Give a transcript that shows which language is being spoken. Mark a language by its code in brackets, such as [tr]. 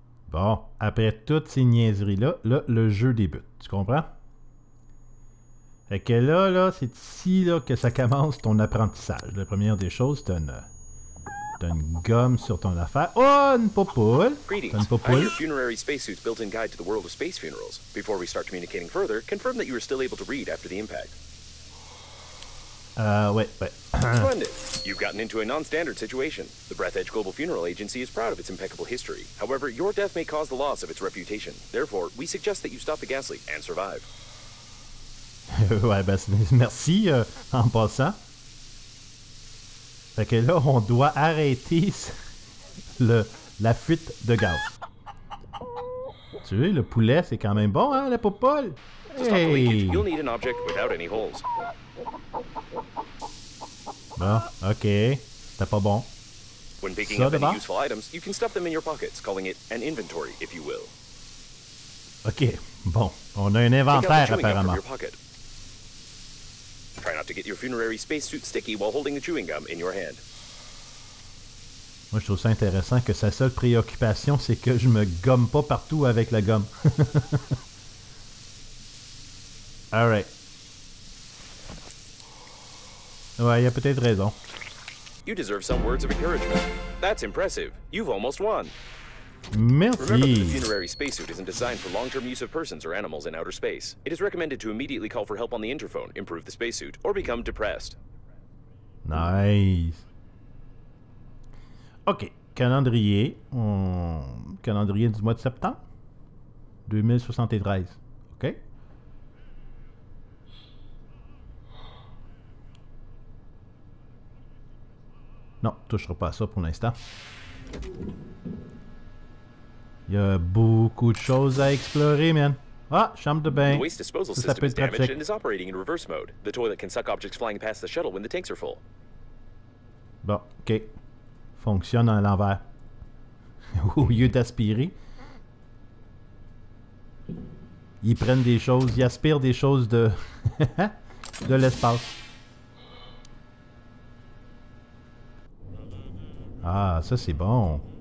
[fr] Bon, après toutes ces niaiseries-là, là, le jeu débute. Tu comprends? Fait que là, c'est ici là, que ça commence ton apprentissage. La première des choses, c'est une gomme sur ton affaire. Oh, une popoule! [en] Greetings. [fr] Une popoule. [en] I'm your funerary spacesuit's built-in guide to the world of space funerals. Before we start communicating further, confirm that you are still able to read after the impact. [fr] Ouais. [en] Splendid! You've gotten into a non-standard situation. The Breath Edge Global Funeral Agency is proud of its impeccable history. However, your death may cause the loss of its reputation. Therefore, we suggest that you stop the gas leak and survive. [fr] Ouais, ben, merci, en passant. Fait que là, on doit arrêter la fuite de gaz. Tu sais, le poulet, c'est quand même bon, hein, la popole? [en] Hey! You'll need an object without any holes. [fr] Bon, OK. C'est pas bon. [en] When picking up any useful items, you can stuff them in your pockets, calling it an inventory, if you will. [fr] OK, bon. On a un inventaire, apparemment. [en] Try not to get your funerary spacesuit sticky while holding the chewing gum in your hand. [fr] Moi, je trouve ça intéressant que sa seule préoccupation, c'est que je me gomme pas partout avec la gomme. [en] All right. [fr] Ouais, il a peut-être raison. [en] You deserve some words of encouragement. That's impressive. You've almost won. [fr] Merci. [en] Remember that the funerary spacesuit isn't designed for long-term use of persons or animals in outer space. It is recommended to immediately call for help on the interphone, improve the spacesuit, or become depressed. Nice. [fr] OK, calendrier. Calendrier du mois de septembre 2073. OK. Non, touchera pas à ça pour l'instant. Il y a beaucoup de choses à explorer, man. Ah, chambre de bain. [en] The waste disposal system is damaged and is operating in reverse mode. The toilet can suck objects flying past the shuttle when the tanks are full. [fr] Bon, OK. Fonctionne à l'envers. Au lieu d'aspirer, ils prennent des choses, ils aspirent des choses de de l'espace. Ah, ça c'est bon.